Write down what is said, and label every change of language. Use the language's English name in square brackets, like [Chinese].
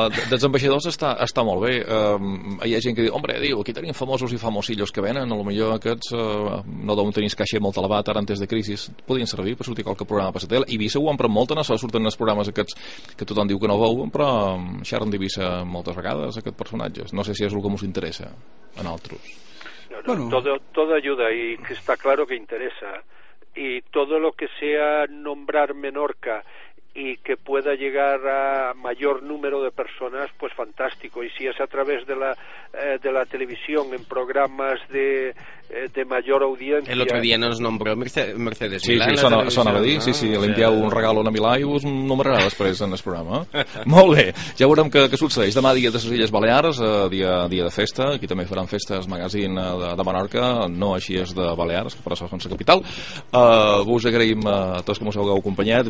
[Catalan] Dels ambaixadors està molt bé. Hi ha gent que diu, hombre, diu, aquí tenim famosos i famosillos que venen, a lo millor aquests no deuen tenir caixer molt elevat ara antes de crisi. Podien servir per sortir qualque programa per satèl·lit. I Ibiza ho han pren molt, en això surten els programes aquests que tothom diu que no veuen, però xerren d'Ibiza moltes vegades, aquests personatges. No sé si és el que ens interessa, en altres. [Spanish] Todo ayuda, y que está claro que interesa. Y todo lo que sea nombrar Menorca y que pueda llegar a mayor número de personas, pues fantástico. Y si es a través de la televisión, en programas de mayor audiencia... El otro día nos nombró Mercedes. [Catalan] Sí, Milán, sí, sona a dir, no? sí, li envieu un regal a Milà i us nombrarà després en el programa. Molt bé, ja veurem què succeeix. Demà dia de les Illes Balears, dia de festa, aquí també faran festes el magazín de Menorca, no així és de Balears, que per això és la capital. Us agraïm a tots que us heu acompanyat.